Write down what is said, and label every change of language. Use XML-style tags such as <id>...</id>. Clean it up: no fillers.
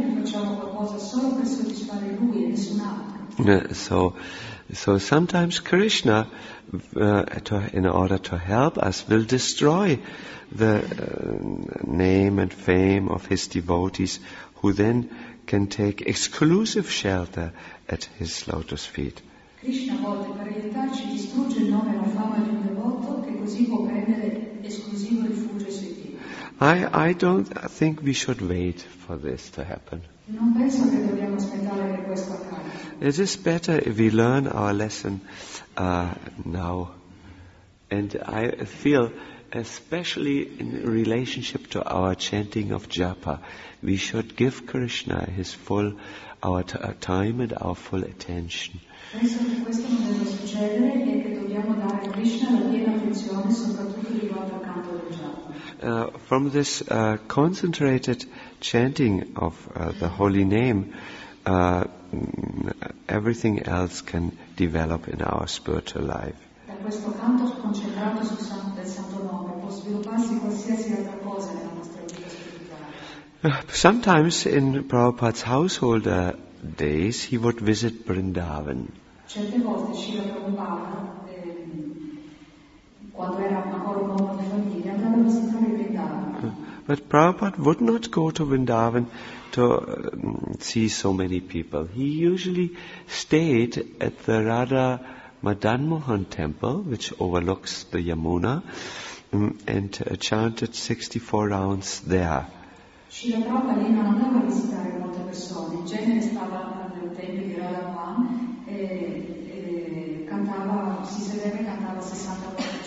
<en>So sometimes Krishna, in order to help us, will destroy the name and fame of his devotees, who then can take exclusive shelter at his lotus feet.</en> <it>Krishna volte per aiutarci distrugge il nome e la fama di un devoto che così può prendere esclusivo rifugio sui piedi.</it> <en>I don't think we should wait for this to happen.</en> <it>Non penso che dobbiamo aspettare che questo accada.</it> <en>It is better if we learn our lesson now. And I feel, especially in relationship to our chanting of Japa, we should give Krishna his full our time and our full attention.</en> <it>Penso che questo non deve succedere e che dobbiamo dare a Krishna la piena attenzione, soprattutto rivolta al canto del Japa.</it> <en>From this concentrated chanting of the holy name, everything else can develop in our spiritual life.</en> <it>Da questo canto concentrato sul santo nome può svilupparsi qualsiasi altra cosa nella nostra vita spirituale.</it> <en>Sometimes in Prabhupada's household days, he would visit Vrindavan.</en> <it>Certe volte Srila Prabhupada, quando era ancora un uomo di famiglia, andava a visitare Vrindavan.</it> <en>But Prabhupada would not go to Vrindavan to see so many people. He usually stayed at the Radha Madanmohan temple, which overlooks the Yamuna, and chanted 64 rounds there.</en> <it>Srila Prabhupada non andava a visitare molte persone, in genere stava al tempio di Radha Ma cantava, si sedeva e cantava 64.</it>